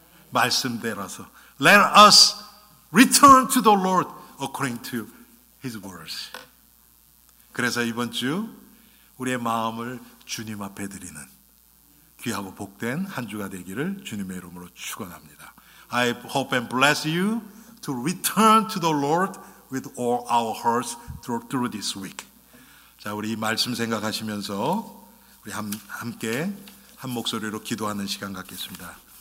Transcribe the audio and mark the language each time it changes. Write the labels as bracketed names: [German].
[Korean] 말씀대로서 [English] Let us return to the Lord according to His words. [Korean] 그래서 이번 주 우리의 마음을 주님 앞에 드리는 귀하고 복된 한 주가 되기를 주님의 이름으로 축원합니다. [English] I hope and bless you to return to the Lord with all our hearts through this week. [Korean] 자, 우리 이 말씀 생각하시면서 우리 함께 한 목소리로 기도하는 시간 갖겠습니다.